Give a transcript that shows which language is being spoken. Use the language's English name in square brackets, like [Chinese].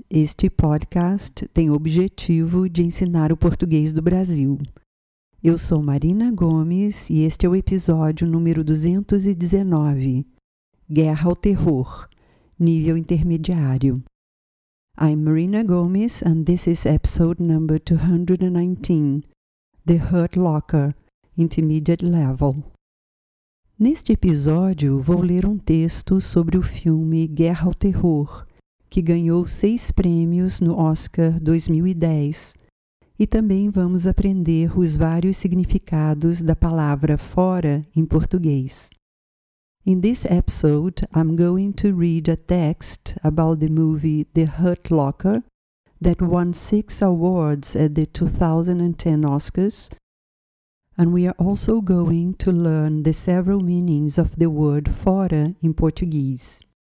[Portuguese] Este podcast tem o objetivo de ensinar o português do Brasil. Eu sou Marina Gomes e este é o episódio número 219. Guerra ao Terror, nível intermediário. [English] I'm Marina Gomes and this is episode number 219. The Hurt Locker, Intermediate Level. [Portuguese] Neste episódio, vou ler um texto sobre o filme Guerra ao Terror, que ganhou 6 prêmios no Oscar 2010. E também vamos aprender os vários significados da palavra fora em português. [English] In this episode, I'm going to read a text about the movie The Hurt Locker that won 6 awards at the 2010 Oscars. And we are also going to learn the several meanings of the word fora in Portuguese.